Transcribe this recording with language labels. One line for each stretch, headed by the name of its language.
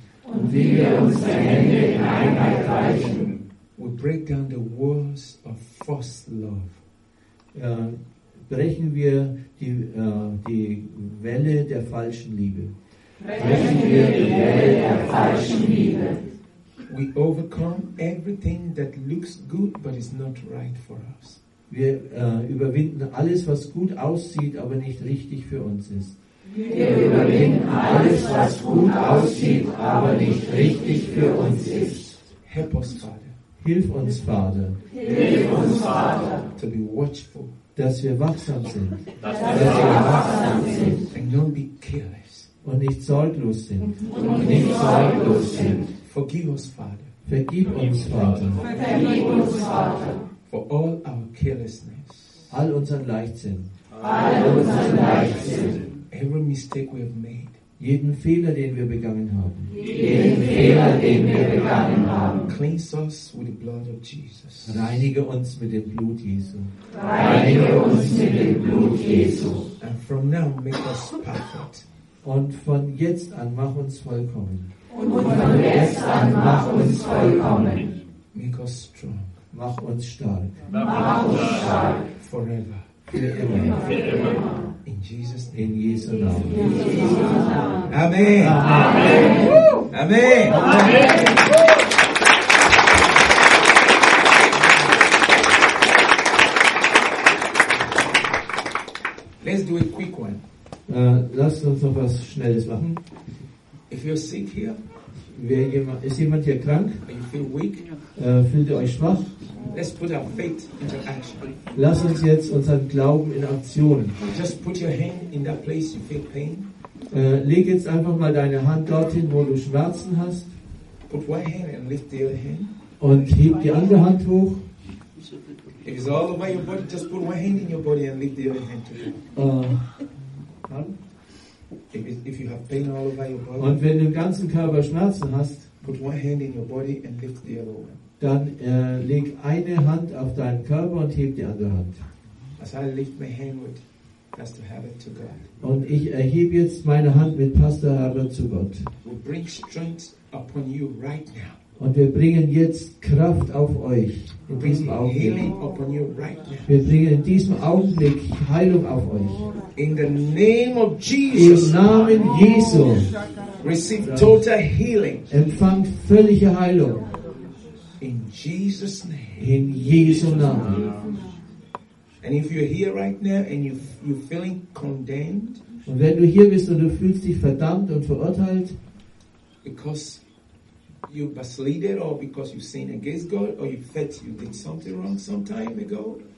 German: Und wie wir unsere Hände in Einheit reichen.
English: We break down the walls of false love.
German: Brechen wir die Welle der falschen Liebe. Brechen wir die Welle der falschen Liebe.
English: We overcome everything that looks good but is not right for us.
German: Wir überwinden alles, was gut aussieht, aber nicht richtig für uns ist. Wir überwinden alles, was gut aussieht, aber nicht richtig für uns ist.
English: Help us, Father.
German: Hilf uns, Vater. Hilf uns, Vater.
English: To be watchful.
German: Dass wir wachsam sind. Dass wir wachsam sind.
English: And don't be careless.
German: Und nicht sorglos sind. Und nicht sorglos sind.
English: Forgive us, Father.
German: Vergib uns, Vater. Vergib uns, Vater.
English: For all our carelessness.
German: All unseren Leichtsinn. All unseren Leichtsinn.
English: Every mistake we have made.
German: Jeden Fehler, den wir begangen haben. Jeden Fehler, den wir begangen haben.
English: Cleanse us with the blood of Jesus.
German: Reinige uns mit dem Blut Jesu. Reinige uns mit dem Blut Jesu.
English: And from now make us perfect.
German: Und von jetzt an mach uns vollkommen. Und von jetzt an mach uns vollkommen.
English: Make us strong.
German: Mach uns stark. Mach uns stark.
English: Forever.
German: Für immer. Für immer.
English: In Jesus' name.
German: In Jesu Namen. Amen. Amen. Amen. Amen. Amen.
English: Let's do a quick one.
German: Lasst uns noch was Schnelles machen.
English: If you're sick here,
German: ist jemand hier krank?
English: You feel weak?
German: Fühlt ihr euch schwach?
English: Let's put our faith into action.
German: Lass uns jetzt unseren Glauben in Aktion.
English: Just put your hand in that place you feel pain.
German: Leg jetzt einfach mal deine Hand dorthin, wo du Schmerzen hast.
English: Put one hand and lift the other hand.
German: Und heb die andere Hand hoch.
English: If it's all over your body, just put one hand in your body and lift the other hand too. If you have pain all over your body,
German: und wenn du im ganzen Körper Schmerzen hast,
English: put one hand in your body and lift the other one.
German: Dann leg eine Hand auf deinen Körper und heb die andere Hand.
English: As I lift my hand with Pastor Herbert to God.
German: Und ich erhebe jetzt meine Hand mit Pastor Herbert zu Gott.
English: We bring strength upon you right now.
German: Und wir bringen jetzt Kraft auf euch in diesem Augenblick.
English: Right,
German: wir bringen in diesem Augenblick Heilung auf euch.
English: In the name of Jesus.
German: Im Namen Jesu.
English: Receive total healing.
German: Empfangt völlige Heilung.
English: In Jesus' name.
German: In Jesu Namen.
English: And if you're here right now and you're feeling condemned.
German: Und wenn du hier bist und du fühlst dich verdammt und verurteilt.
English: Because you backslided, or because you sinned against God, or you felt you did something wrong some time ago.